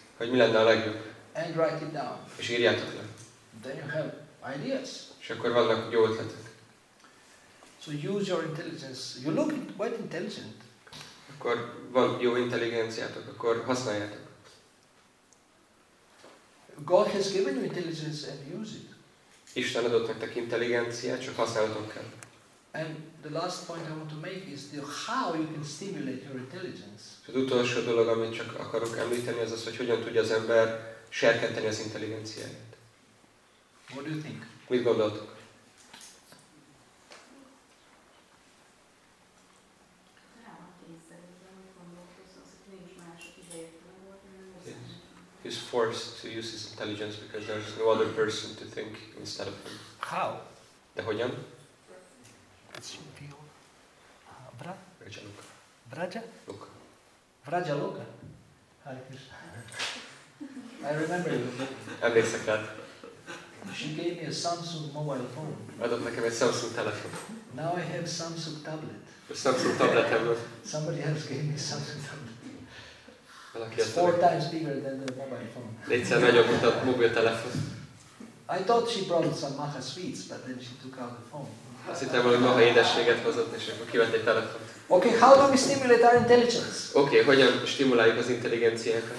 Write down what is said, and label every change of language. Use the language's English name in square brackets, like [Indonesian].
[Hungarian] Hogy mi lenne a legjobb? [English] And write it down. [Hungarian] És írjátok le. [English] Then you have ideas. [Hungarian] És akkor vannak jó ötletek. [English] So use your intelligence. You look quite intelligent. [Hungarian] Akkor van jó intelligenciátok, akkor használjátok. [English] God has given you intelligence and use it. [Hungarian] Isten adott nektek intelligenciát, csak használjátok kell. [English] And the last point I want to make is the how you can stimulate your intelligence. [Hungarian] Az utolsó dolog, amit csak akarok említeni, az, hogy hogyan tudja az ember serkenteni az intelligenciáját. [English] What do you think? [Hungarian] Mit gondoltok? [English] Is forced to use his intelligence because there's no other person to think instead of him. How? [Hungarian] De hogyan? [English] It's a feel. Vraja Loka. Vraja? Loka. Vraja Loka. Hare Krishna. I remember you. [Hungarian] Emlékszek rád. [English] She gave me a Samsung mobile phone. [Hungarian] Adott nekem egy Samsung telefon. [English] Now I have Samsung tablet. [Hungarian] A Samsung tabletem van. [English] Somebody else gave me Samsung tablet. It's four times bigger than the mobile phone. [Hungarian] Négyszer nagyobb, mint a mobiltelefon. [English] I thought she brought some maha sweets, but then she took out the phone. [Hungarian] Azt hittem, hogy maha édességet hozott, és akkor kivett egy telefont. [English] Okay, how do we stimulate our intelligence? [Hungarian] Okay, hogyan stimuláljuk az intelligenciákat?